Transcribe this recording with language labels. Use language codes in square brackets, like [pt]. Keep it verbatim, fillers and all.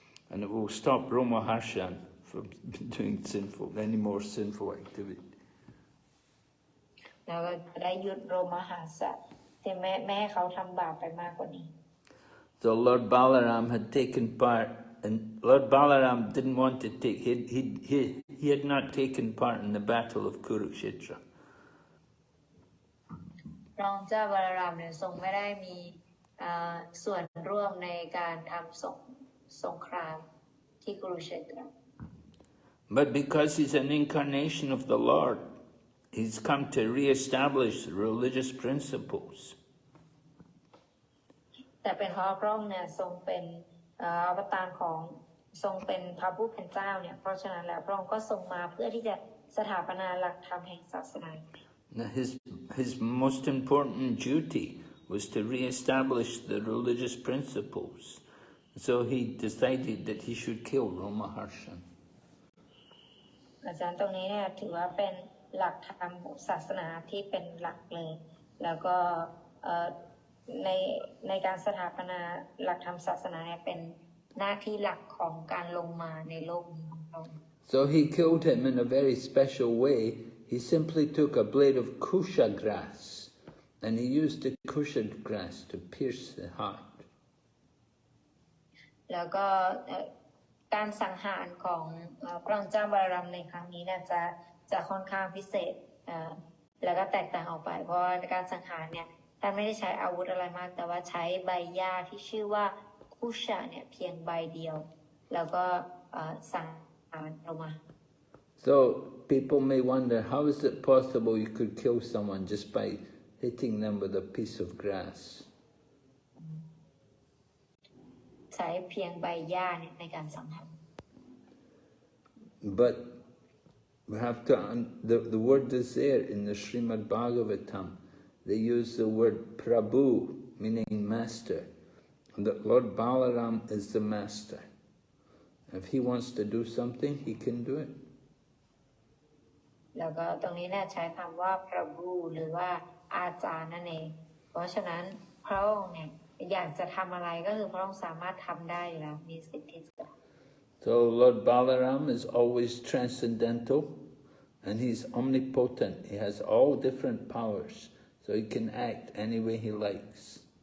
[en] And it will stop Roma Harshan from doing sinful, any more sinful activity. [th] แล้วก็จะได้หยุดโรมหาสัตว์ที่ไม่ไม่ให้เขาทำบาปไปมากกว่านี้ [en] So Lord Balaram had taken part, and Lord Balaram didn't want to take, he, he, he, he had not taken part in the battle of Kurukshetra. [th] พระองค์เจ้าบาลารามเนี่ยทรงไม่ได้มีเอ่อส่วนร่วมในการทำสงสงครามที่กรุเชตรา [en] But because he's an incarnation of the Lord, he's come to re-establish the religious principles. [th] แต่เป็นเพราะพระองค์เนี่ยทรงเป็นเอ่ออวตารของทรงเป็นพระผู้เป็นเจ้าเนี่ยเพราะฉะนั้นแล้วพระองค์ก็ทรงมาเพื่อที่จะสถาปนาหลักธรรมแห่งศาสนา [en] Now, His, his most important duty was to re-establish the religious principles. So he decided that he should kill Ramaharshan. [th] อาจารย์ตรงนี้เนี่ยถือว่าเป็นหลักธรรมของศาสนาที่เป็นหลักเลยแล้วก็เอ่อในในการสถาปนาหลักธรรมศาสนาเนี่ยเป็นหน้าที่หลักของการลงมาในโลกนี้ของเรา [en] So he killed him in a very special way. He simply took a blade of kusha grass and he used the kusha grass to pierce the heart. [th] แล้วก็เอ่อการสังหารของเอ่อพระองค์เจ้าบาลารามในครั้งนี้เนี่ยจะจะค่อนข้างพิเศษเอ่อแล้วก็แตกต่างออกไปเพราะว่าการสังหารเนี่ยท่านไม่ได้ใช้อาวุธอะไรมากแต่ว่าใช้ใบหญ้าที่ชื่อว่าคุชะเนี่ยเพียงใบเดียว แล้วก็เอ่อสังหารลงมา [en] So people may wonder, how is it possible you could kill someone just by hitting them with a piece of grass? [th] ใช้เพียงใบหญ้าเนี่ยในการสังหาร [en] But we have to, un- the, the word is there in the Srimad Bhagavatam. They use the word Prabhu, meaning master. And that Lord Balaram is the master. If he wants to do something, he can do it. [th] แล้วก็ตรงนี้เนี่ยใช้คำว่าพระบูหรือว่าอาจารย์นั่นเอง เพราะฉะนั้นพระองค์เนี่ยอยากจะทำอะไรก็คือพระองค์สามารถทำได้อยู่แล้วมีสิทธิ์ที่จะ [en] So Lord Balaram is always transcendental and he's omnipotent. He has all different powers, so he can act any way he likes.